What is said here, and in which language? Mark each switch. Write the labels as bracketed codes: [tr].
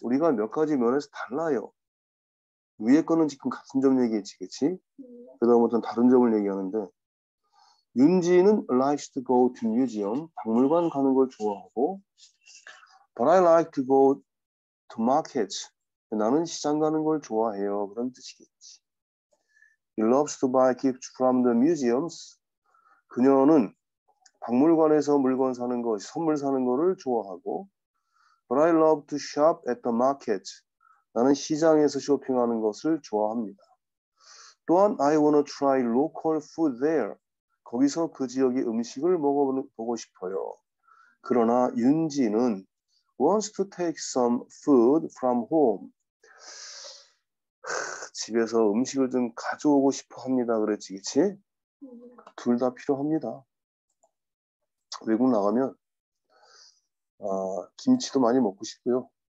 [ko] 우리가 몇 가지 면에서 달라요. 위에 거는 지금 같은 점 얘기했지, 그치? 그 다음부터는 다른 점을 얘기하는데 윤지는 [en] likes to go to museum, [ko] 박물관 가는 걸 좋아하고 [en] But I like to go to markets. [ko] 나는 시장 가는 걸 좋아해요. 그런 뜻이겠지. [en] He loves to buy gifts from the museums. [ko] 그녀는 박물관에서 물건 사는 거, 선물 사는 거를 좋아하고 [en] But I love to shop at the market. [ko] 나는 시장에서 쇼핑하는 것을 좋아합니다. 또한 [en] I want to try local food there. [ko] 거기서 그 지역의 음식을 먹어보고 싶어요. 그러나 [en] 윤지는 wants to take some food from home. [ko] 집에서 음식을 좀 가져오고 싶어 합니다. 그랬지, 그치? 둘 다 필요합니다. 외국 나가면 김치도 많이 먹고 싶고요.